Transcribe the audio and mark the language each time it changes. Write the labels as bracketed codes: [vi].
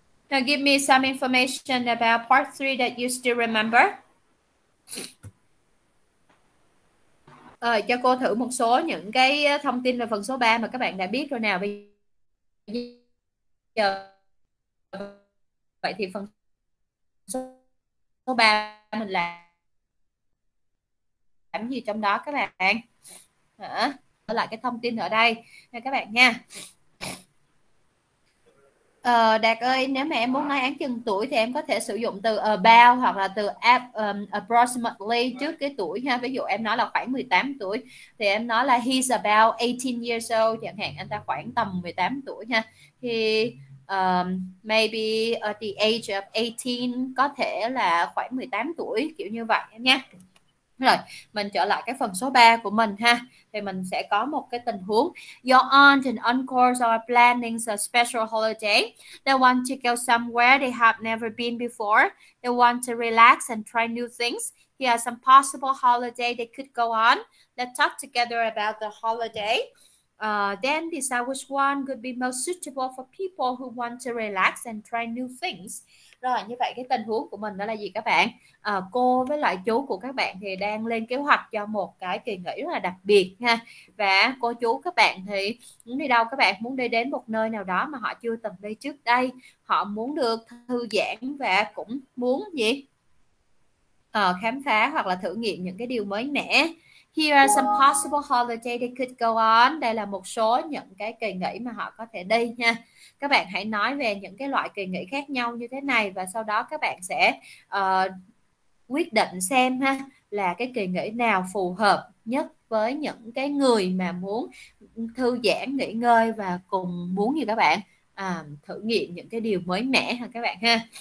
[en] Now give me some information about part 3 that you still remember. [vi] Cho cô thử một số những cái thông tin về phần số 3 mà các bạn đã biết rồi nào. Bây giờ vậy thì phần số 3 mình làm gì trong đó các bạn? Hả? Lại cái thông tin ở đây nha các bạn nha. Đạt ơi, nếu mà em muốn nói áng chừng tuổi thì em có thể sử dụng từ about hoặc là từ approximately trước cái tuổi ha. Ví dụ em nói là khoảng 18 tuổi thì em nói là [en] he's about 18 years old, [vi] chẳng hạn anh ta khoảng tầm 18 tuổi nha. Thì [en] maybe at the age of 18 [vi] có thể là khoảng 18 tuổi, kiểu như vậy nha. Rồi, mình trở lại cái phần số 3 của mình ha. Thì mình sẽ có một cái tình huống. [en] Your aunt and uncles are planning a special holiday. They want to go somewhere they have never been before. They want to relax and try new things. Here are some possible holiday they could go on. Let's talk together about the holiday. Then decide which one could be most suitable for people who want to relax and try new things. [vi] Rồi như vậy cái tình huống của mình đó là gì các bạn? Cô với lại chú của các bạn thì đang lên kế hoạch cho một cái kỳ nghỉ rất là đặc biệt ha. Và cô chú các bạn thì muốn đi đâu các bạn? Muốn đi đến một nơi nào đó mà họ chưa từng đi trước đây. Họ muốn được thư giãn và cũng muốn gì? Khám phá hoặc là thử nghiệm những cái điều mới mẻ. [en] Here are some possible holiday they could go on. [vi] Đây là một số những cái kỳ nghỉ mà họ có thể đi nha. Các bạn hãy nói về những cái loại kỳ nghỉ khác nhau như thế này, và sau đó các bạn sẽ quyết định xem ha là cái kỳ nghỉ nào phù hợp nhất với những cái người mà muốn thư giãn, nghỉ ngơi và cùng muốn như các bạn thử nghiệm những cái điều mới mẻ ha các bạn ha.